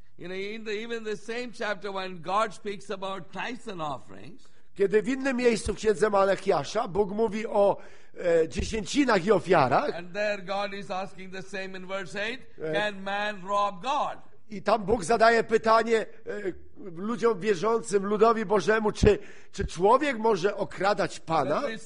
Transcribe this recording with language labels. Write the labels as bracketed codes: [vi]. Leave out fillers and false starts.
[en] You know, in the, even the same chapter when God speaks about tithes and offerings. [pl] Kiedy w innym miejscu w księdze Malachiasza Bóg mówi o dziesięcinach i ofiarach. [en] And there God is asking the same in verse 8. Can man rob God? [pl] I tam Bóg zadaje pytanie ludziom wierzącym, ludowi Bożemu, czy człowiek może okradać Pana?